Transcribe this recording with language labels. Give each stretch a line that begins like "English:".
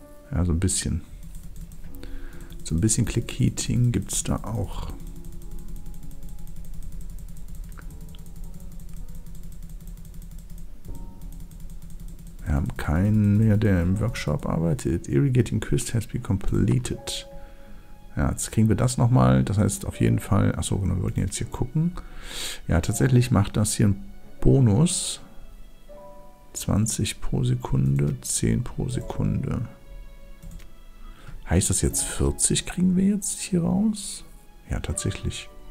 German: Ja, so ein bisschen. So ein bisschen Click Heating gibt es da auch. Wir haben keinen mehr, der im Workshop arbeitet.
English: Irrigating Quest has been completed.
German: Ja, jetzt kriegen wir das nochmal. Das heißt auf jeden Fall... Achso, genau, wir wollten jetzt hier gucken. Ja, tatsächlich macht das hier einen Bonus. 20 pro Sekunde, 10 pro Sekunde. Heißt das jetzt 40 kriegen wir jetzt hier raus? Ja, tatsächlich.